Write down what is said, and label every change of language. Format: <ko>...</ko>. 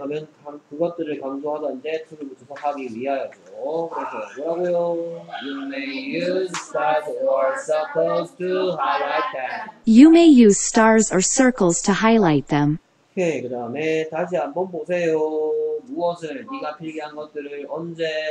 <ko>하면 그것들을 강조하던데 to를 붙여서 하기 위하여죠. 그래서 뭐라고요?</ko> <en>You may use stars or circles to highlight them. You may use stars or circles to highlight them.</en> <ko>오케이, 그 다음에 다시 한번 보세요. 무엇을? 네가 필기한 것들을 언제?</ko>